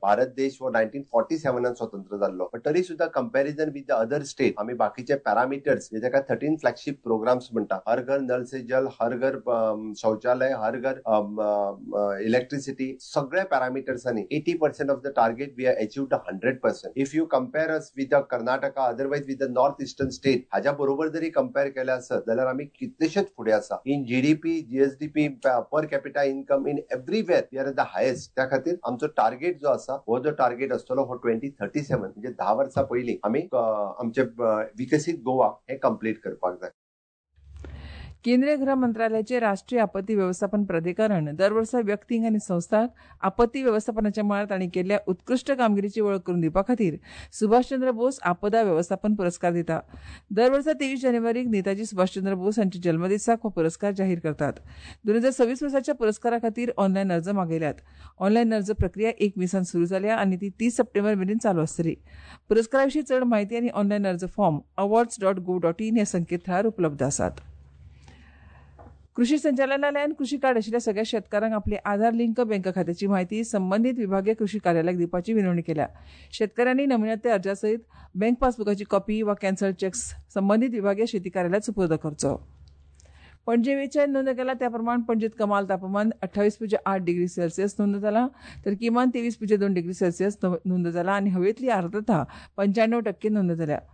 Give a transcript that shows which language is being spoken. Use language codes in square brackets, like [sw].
[kok] भारत देश हो 1947 स्वतंत्र जाल्लो. बट तरी सुद्दा [en] comparison with the other state [kok] आमी बाकीचे पॅरामिटर्स जेका 13 फ्लॅगशीप प्रोग्राम्स हर घर नल से जल, हर घर शौचालय, हर घर इलेक्ट्रिसिटी सगळ्या पॅरामिटर्सांनी [en] 80% of the target we are achieve 100%. If you compare us with the Karnataka otherwise with the north eastern state [kok] हाज्या बरोबर जरी कम्पेअर केले असत जाल्यार आम्ही कितलेशेच फुडें आसा. [en] In GDP, GSDP, per capita income, in everywhere we are the highest. [kok] त्या खातीर आमचो टार्गेट जो आसा हो जो टार्गेट असतो हो 2037 म्हणजे 10 वर्सां पहिली आम्ही आमचे विकसित गोवा हे कम्प्लीट करपाक जाय. केंद्रीय गृह मंत्रालयाचे राष्ट्रीय आपत्ती व्यवस्थापन प्राधिकरण दर वर्सा व्यक्तींक आनी संस्थांक आपत्ती व्यवस्थापनाच्या मळार तांणी केल्ल्या उत्कृश्ट कामगिरीची वळख करून दिवपा खातीर सुभाषचंद्र बोस आपदा व्यवस्थापन पुरस्कार दिता. दर वर्सा 23 जानेवारीक नेताजी सुभाषचंद्र बोस हांच्या जल्मदिसाक हो पुरस्कार जाहीर करतात. 2026 पुरस्कारा खातीर ऑनलायन अर्ज मागयल्यात. ऑनलायन अर्ज प्रक्रिया 1 मे सावन सुरू जाल्या आनी ती 30 सप्टेंबर मेरेन चालू आसतली. पुरस्कारा विशीं चड म्हायती आनी ऑनलायन अर्ज फॉर्म awards.gov.in ह्या संकेतथळार उपलब्ध आसात. कृषी संचालनालयान कृषी कार्ड आशिल्ल्या सगळ्या शेतकऱ्यांक आपले आधार लिंक बँक खात्याची माहिती संबंधित विभागीय कृषी कार्यालयाक दिवपाची विनवणी केल्या. शेतकऱ्यांनी नमुन्यात अर्जासहित बँक पासबुकाची कॉपी वा कॅन्सल चेक्स संबंधित विभागीय शेती कार्यालयात सुपूर्द करचो. पणजे वेचाय नोंद केला त्याप्रमाण पणजेत कमाल तापमान 28.8 डिग्री सेल्सियस नोंद जाला तर किमान 23.2 डिग्री सेल्सियस नोंद जाला आनी हवेतली आर्द्रता 95% नोंद जाल्या.